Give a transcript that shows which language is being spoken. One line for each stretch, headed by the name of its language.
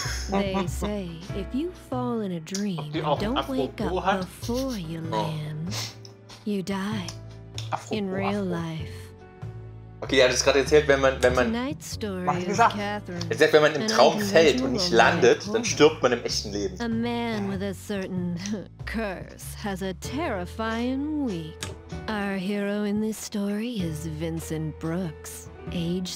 English: They say, if you fall in a dream, don't wake up before you land, you die. Afro. In real life.
German: Okay, er hat es gerade erzählt, wenn man im Traum fällt und nicht landet, dann stirbt man im echten Leben.
English: A man with a certain curse has a terrifying week. Our hero in this story is Vincent Brooks, age